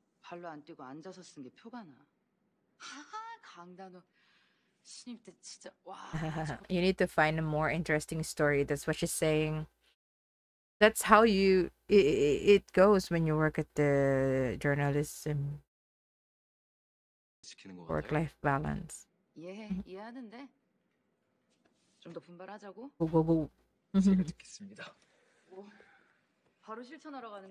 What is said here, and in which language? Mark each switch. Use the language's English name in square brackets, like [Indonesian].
[Korean] 발로 안 뛰고 앉아서 쓴 게 표가 나. 하하, 강단호 신입 때 진짜 와. [English] You need to find a more interesting story. That's what she's saying. That's how you it goes when you work at the journalism. [Korean] 시키는 거 [English] work-life balance. [Korean] 이해해, 이해하는데 좀 더 분발하자고. 고고고. 제가 듣겠습니다. 뭐, 바로 실천하러 가는 거야?